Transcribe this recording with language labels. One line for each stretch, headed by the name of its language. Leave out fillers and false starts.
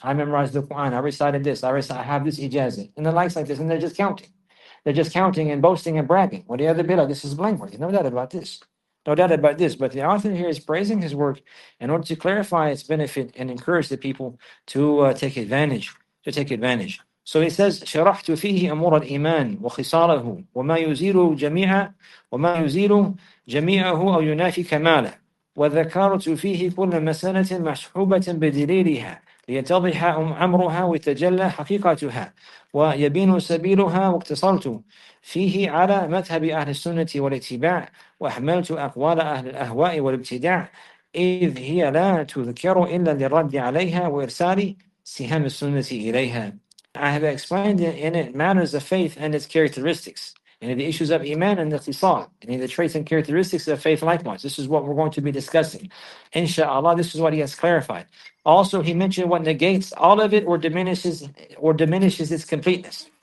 English: I memorized the Quran. I recited this. I have this ijazah. And the likes like this. And they're just counting. They're just counting and boasting and bragging. What the other billah? This is blameworthy. No doubt about this. No doubt about this. But the author here is praising his work in order to clarify its benefit and encourage the people to take advantage.
Arabic: So he says, شرحت فيه أمور الإيمان وخصاله وما يزيل جميعه وما يزيل جميعه أو ينافي كماله وذكرت فيه كل مسألة مسحوبة بدليلها ليتضح أمرها وتجلى حقيقتها ويبين سبيلها واقتصرت فيه على مذهب أهل السنة والاتباع وأحملت أقوال أهل الأهواء والابتداع إذ هي لا تذكر إلا للرد عليها وإرسال سهام السنة إليها.
English: I have explained in it matters of faith and its characteristics, and in the issues of iman and the qisar, and in the traits and characteristics of faith likewise. This is what we're going to be discussing. Insha'Allah, this is what he has clarified. Also, he mentioned what negates all of it or diminishes its completeness.